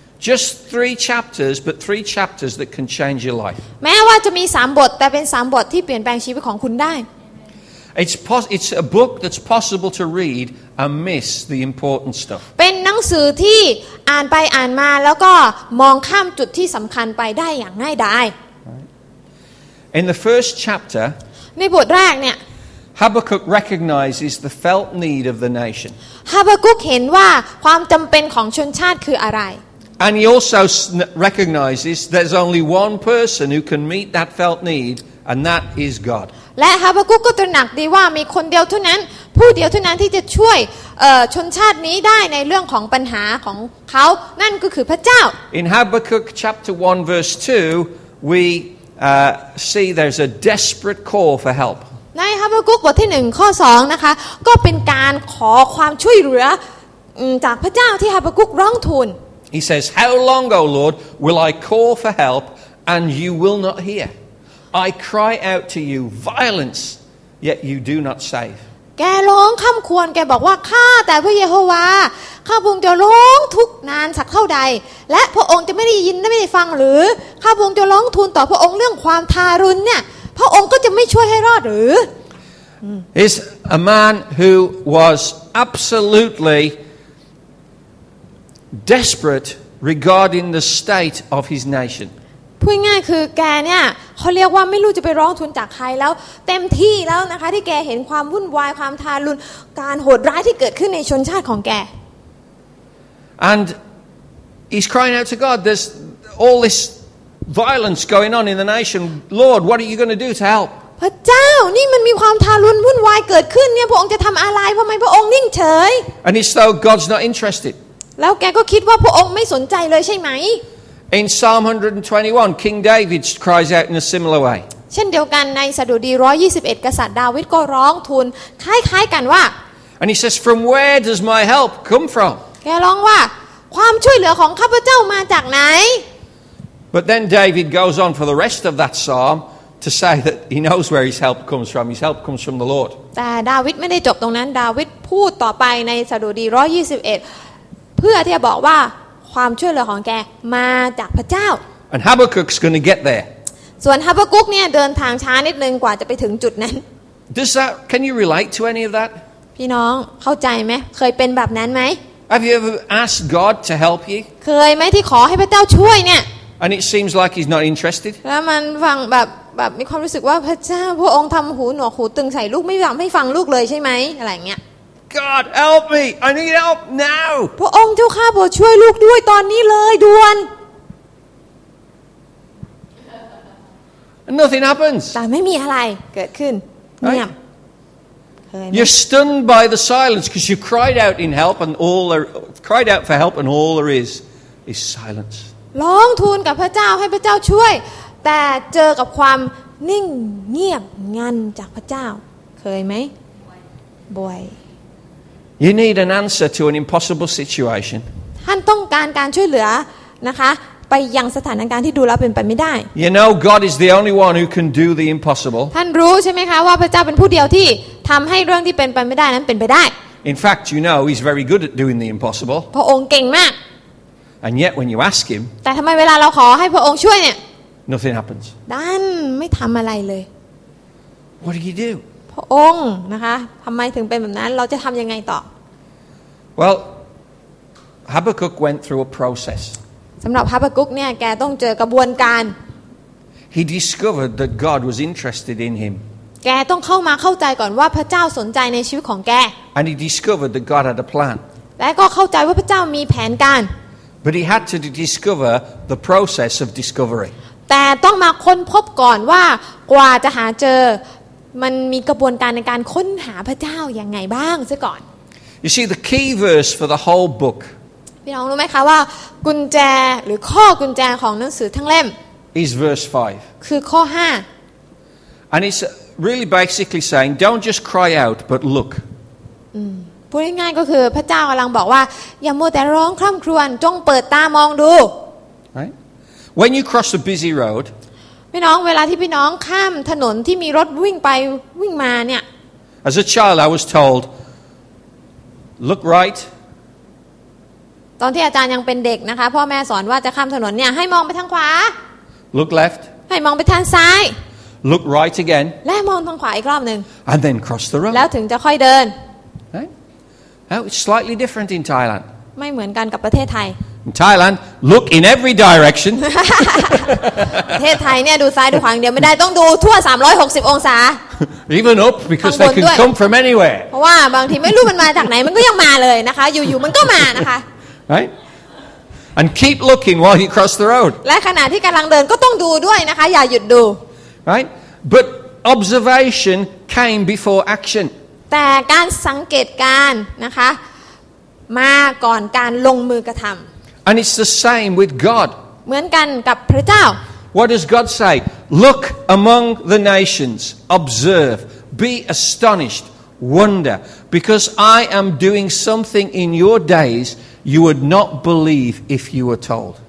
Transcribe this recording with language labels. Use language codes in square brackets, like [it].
[en] Just three chapters, but three chapters that can change your life. [th] แม้ว่าจะมี3บทแต่เป็น3บทที่เปลี่ยนแปลงชีวิตของคุณได้ [en] It's a book that's possible to read and miss the important stuff. [th] เป็นหนังสือที่อ่านไปอ่านมาแล้วก็มองข้ามจุดที่สำคัญไปได้อย่างง่ายดาย [en] In the first chapter, [th] ในบทแรกเนี่ย [en] Habakkuk recognizes the felt need of the nation. [th] Habakkuk เห็นว่าความจำเป็นของชนชาติคืออะไร [en] And he also recognizes there's only one person who can meet that felt need, and that is God. [th] และฮาบากุกก็ตระหนักดีว่ามีคนเดียวเท่านั้นผู้เดียวเท่านั้นที่จะช่วยชนชาตินี้ได้ในเรื่องของปัญหาของเขานั่นก็คือพระเจ้า [en] In Habakkuk chapter 1 verse 2 we see there's a desperate call for help. [th] ในฮาบากุกบทที่1ข้อ2นะคะก็เป็นการขอความช่วยเหลือจากพระเจ้าที่ฮาบากุกร้องทูล [en] He says how long O Lord will I call for help and you will not hearI cry out to you violence yet you do not save [th] แกร้องค่ำควรแกบอกว่าข้าแต่พระเยโฮวาข้าพระองค์จะร้องทุกข์นานสักเท่าใดและพระองค์จะไม่ได้ยินไม่ได้ฟังหรือข้าพระองค์จะร้องทูลต่อพระองค์เรื่องความทารุณเนี่ยพระองค์ก็จะไม่ช่วยให้รอดหรือ [en] Is a man who was absolutely desperate regarding the state of his nation [th] พูดง่ายคือแกเนี่ยเขาเรียกว่าไม่รู้จะไปร้องทูลจากใครแล้วเต็มที่แล้วนะคะที่แกเห็นความวุ่นวายความทารุณการโหดร้ายที่เกิดขึ้นในชนชาติของแก [en] And he's crying out to God there's all this violence going on in the nation Lord what are you going to do to help [th] พระเจ้านี่มันมีความทารุณวุ่นวายเกิดขึ้นเนี่ยพระองค์จะทำอะไรทำไมพระองค์นิ่งเฉย [en] And he's so God's not interested [th] แล้วแกก็คิดว่าพระองค์ไม่สนใจเลยใช่ไหม [en] In Psalm 121, King David cries out in a similar way. [th] เช่นเดียวกันในสดุดี121กษัตริย์ดาวิดก็ร้องทูลคล้ายๆกันว่า [en] And he says, "From where does my help come from?" [th] แกร้องว่าความช่วยเหลือของข้าพเจ้ามาจากไหน [en] But then David goes on for the rest of that psalm to say that he knows where his help comes from. His help comes from the Lord. [th] แต่ดาวิดไม่ได้จบตรงนั้นดาวิดพูดต่อไปในสดุดี121เพื่อที่จะบอกว่าความช่วยเหลือของแกมาจากพระเจ้า [en] And Habakkuk's going to get there [th] ส่วนฮาบากุกเนี่ยเดินทางช้านิดนึงกว่าจะไปถึงจุดนั้น [en] Does that can you relate to any of that [th] พี่น้องเข้าใจไหมเคยเป็นแบบนั้นไหม [en] Have you ever asked God to help you [th] เคยไหมที่ขอให้พระเจ้าช่วยเนี่ย [en] And it seems like he's not interested [th] แล้วมันฟังแบบมีความรู้สึกว่าพระเจ้าพระองค์ทำหูหนวกหูตึงใส่ลูกไม่ยอมให้ฟังลูกเลยใช่ไหมอะไรเงี้ย [en] God help me I need help now [th] พระองค์เจ้าข้าโปรดช่วยลูกด้วยตอนนี้เลยด่วน [en] And nothing happens [th] แต่ไม่มีอะไรเกิดขึ้นเงียบ [en] You're stunned by the silence because you cried out in help and all there cried out for help and all there is silence [th] ร้องทูลกับพระเจ้าให้พระเจ้าช่วยแต่เจอกับความนิ่งเงียบงันจากพระเจ้าเคยไหมบ่อย [en] You need an answer to an impossible situation. [th] ท่านต้องการการช่วยเหลือนะคะไปยังสถานการณ์ที่ดูแล้วเป็นไปไม่ได้ [en] You know God is the only one who can do the impossible. [th] ท่านรู้ใช่ไหมคะว่าพระเจ้าเป็นผู้เดียวที่ทำให้เรื่องที่เป็นไปไม่ได้นั้นเป็นไปได้ [en] In fact, you know He's very good at doing the impossible. [th] พระองค์เก่งมาก [en] And yet, when you ask Him, [th] แต่ทำไมเวลาเราขอให้พระองค์ช่วยเนี่ย [en] Nothing happens. [th] ดันไม่ทำอะไรเลย [en] What do you do? [th] พระองค์นะคะทำไมถึงเป็นแบบนั้นเราจะทำยังไงต่อ [en] Well Habakkuk went through a process [th] สำหรับฮาบากุกเนี่ยแกต้องเจอกระบวนการ [en] He discovered that God was interested in him [th] แกต้องเข้ามาเข้าใจก่อนว่าพระเจ้าสนใจในชีวิตของแก [en] And he discovered that God had a plan [th] และก็เข้าใจว่าพระเจ้ามีแผนการ [en] But he had to discover the process of discovery [th] แต่ต้องมาค้นพบก่อนว่ากว่าจะหาเจอมันมีกระบวนการในการค้นหาพระเจ้ายังไงบ้างซะก่อน [en] You see the key verse for the whole book [th] พี่น้องรู้ไหมคะว่ากุญแจหรือข้อกุญแจของหนังสือทั้งเล่ม [en] is verse 5 [th] คือข้อ5 [en] And it's really basically saying don't just cry out but look [th] พูดง่ายๆก็คือพระเจ้ากำลังบอกว่าอย่ามัวแต่ร้องคร่ำครวญจงเปิดตามองดู [en] Right When you cross a busy road [th] พี่น้องเวลาที่พี่น้องข้ามถนนที่มีรถวิ่งไปวิ่งมาเนี่ย [en] As a child I was told look right [th] ตอนที่อาจารย์ยังเป็นเด็กนะคะพ่อแม่สอนว่าจะข้ามถนนเนี่ยให้มองไปทางขวา [en] look left [th] ให้มองไปทางซ้าย [en] look right again [th] และมองทางขวาอีกรอบนึง [en] and then cross the road [th] แล้วถึงจะค่อยเดิน [en] Now it's slightly different in Thailand [th] ไม่เหมือนกันกับประเทศไทย [en] In Thailand, look in every direction. [th] ประเทศไทยเนี่ยดูซ้ายดูขวาอย่างเดียวไม่ได้ต้องดูทั่ว360องศา [en] Even up because they can come from anywhere. [th] เพราะว่าบางทีไม่รู้มันมาจากไหนมันก็ยังมาเลยนะคะอยู่ๆมันก็มานะคะ [en] Right? And keep looking while you cross the road. [th] และขณะที่กำลังเดินก็ต้องดูด้วยนะคะอย่าหยุดดู [en] Right? But observation came before action. [th] แต่การสังเกตการนะคะมาก่อนการลงมือกระทำ [en] And it's the same with God. [th] เหมือนกันกับพระเจ้า [en] What does God say? Look among the nations. Observe. Be astonished. Wonder. Because I am doing something in your days you would not believe if you were told.